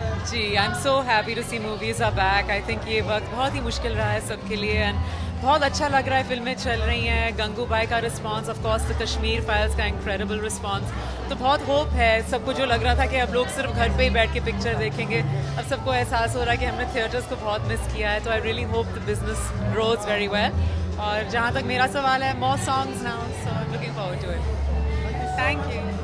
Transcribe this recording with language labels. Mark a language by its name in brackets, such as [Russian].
[English] Ji, I'm so happy to see movies are back. I think [Hindi] ये वक़्त बहुत ही मुश्किल रहा है सबके लिए and बहुत अच्छा लग रहा है, फ़िल्में चल रही हैं. गंगूबाई का response, [English] of course [Hindi] the Kashmir Files का incredible response. So बहुत hope है सबको, जो लग रहा था कि अब लोग सिर्फ़ घर पे ही बैठ के picture देखेंगे, अब सबको एहसास हो रहा है कि हमने theaters को बहुत miss किया है. [English] So I really hope the business grows very well. [Hindi] और जहाँ तक मेरा सवाल है, [English] more songs now, so I'm looking forward to it. Thank you.